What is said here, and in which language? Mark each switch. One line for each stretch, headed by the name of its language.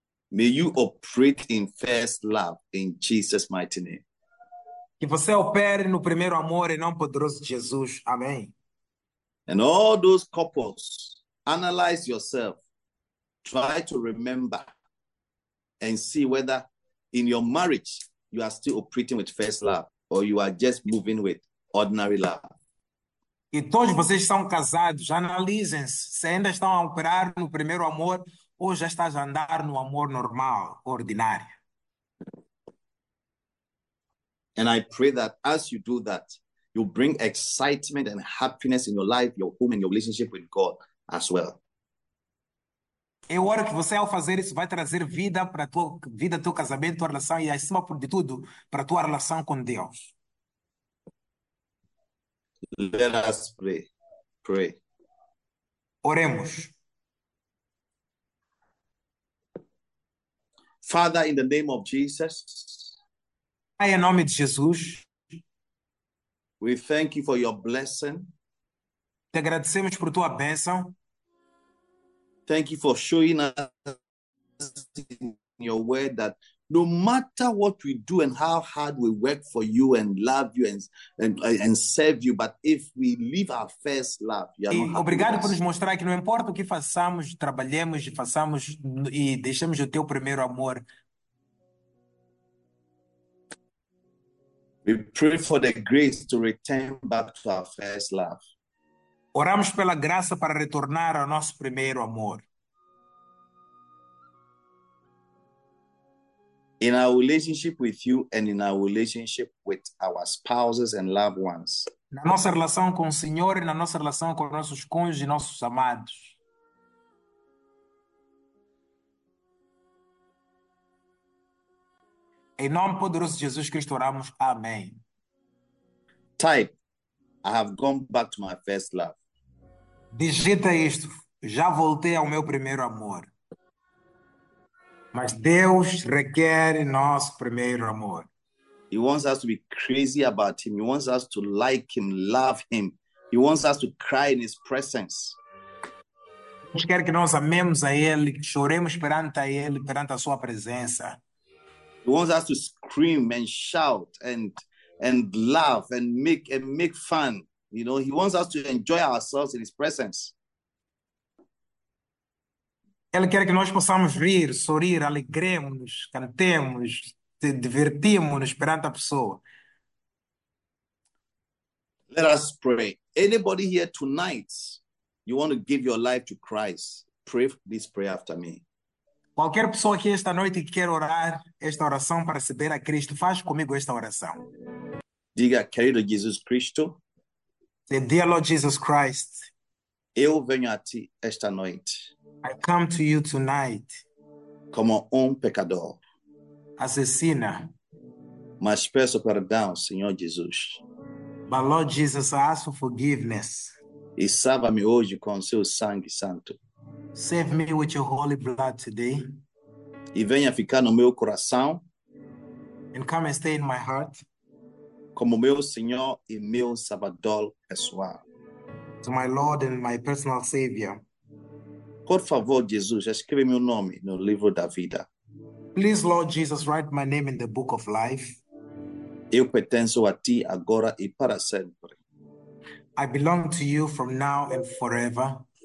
English: May you operate in first love in Jesus' mighty name.
Portuguese: Que você opere no primeiro amor e não poderoso Jesus. Amém.
English: And all those couples, analyze yourself. Try to remember and see whether in your marriage you are still operating with first love or you are just moving with ordinary love.
Portuguese: E todos vocês são casados, analisem-se se ainda estão a operar no primeiro amor ou já estás a andar no amor normal, ordinário.
English: And I pray that as you do that, you bring excitement and happiness in your life, your home, and your relationship with God as well.
Portuguese: Eu oro que você, ao fazer isso, vai trazer vida para a tua vida, teu casamento, tua relação e, acima de tudo, para a tua relação com Deus.
English: Let us pray. Pray.
Portuguese: Oremos.
English: Father, in the name of Jesus.
Portuguese: Pai, em nome de Jesus,
English: We thank you for your blessing.
Portuguese: te agradecemos por tua bênção.
English: Thank you for showing us in your word that no matter what we do and how hard we work for you and love you and serve you, but if we leave our first love, you are not
Portuguese: E
English: happy with
Portuguese: obrigado por nos
English: us.
Portuguese: mostrar que não importa o que façamos, trabalhemos e façamos e deixemos o teu primeiro amor.
English: We pray for the grace to return back to our first love.
Portuguese: Oramos pela graça para retornar ao nosso primeiro amor.
English: In our relationship with you and in our relationship with our spouses and loved ones.
Portuguese: Na nossa relação com o Senhor e na nossa relação com nossos cônjuges e nossos amados. Em nome poderoso de Jesus Cristo, oramos. Amém.
English: Type, I have gone back to my first love.
Portuguese: Digita isto: já voltei ao meu primeiro amor. Mas Deus requer nosso primeiro amor.
English: He wants us to be crazy about him. He wants us to like him, love him. He wants us to cry in his presence.
Portuguese: Deus quer que nós amemos a Ele, que choremos perante a Ele, perante a Sua presença.
English: Wants us to scream and shout and laugh and make fun. He wants us to enjoy ourselves in his presence.
Portuguese: Ele quer que nós possamos rir, sorrir, alegremos, cantemos, divertimos-nos perante a pessoa.
English: Let us pray. Anybody here tonight, you want to give your life to Christ, pray this prayer after me.
Portuguese: Qualquer pessoa aqui esta noite que quer orar esta oração para receber a Cristo, faz comigo esta oração. Diga, querido Jesus Cristo,
English: Say, Dear Lord Jesus Christ,
Portuguese: eu venho a ti esta noite
English: I come to you tonight
Portuguese: como pecador.
English: as a sinner.
Portuguese: Mas peço perdão, Senhor Jesus.
English: But Lord Jesus, I ask for forgiveness.
Portuguese: E salva-me hoje com seu sangue santo.
English: Save me with your holy blood today.
Portuguese: E venha ficar no meu coração
English: And come and stay in my heart.
Portuguese: como meu Senhor e meu Salvador pessoal.
English: To my Lord and my personal Savior.
Portuguese: Por favor, Jesus, escreve meu nome no livro da vida.
English: Please, Lord Jesus, write my name in the book of life.
Portuguese: Eu pertenço a ti agora e para sempre.
English: I belong to you from now and forever.